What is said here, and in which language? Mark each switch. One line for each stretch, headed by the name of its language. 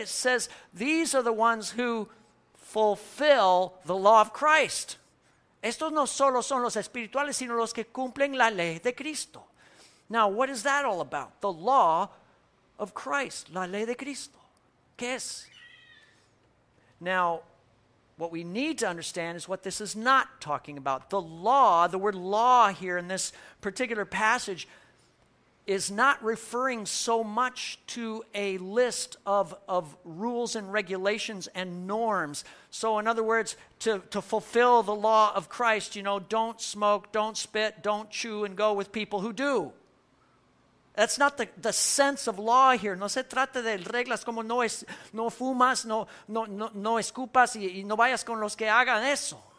English: It says these are the ones who fulfill the law of Christ.
Spanish: Estos no solo son los espirituales, sino los que cumplen la ley de Cristo.
English: Now, what is that all about? The law of Christ,
Spanish: la ley de Cristo. ¿Qué es?
English: Now, what we need to understand is what this is not talking about. The law, the word law here in this particular passage, is not referring so much to a list of rules and regulations and norms. So in other words, to fulfill the law of Christ, you know, don't smoke, don't spit, don't chew and go with people who do. That's not the sense of law here.
Spanish: No se trata de reglas como no fumas, no escupas y no vayas con los que hagan eso.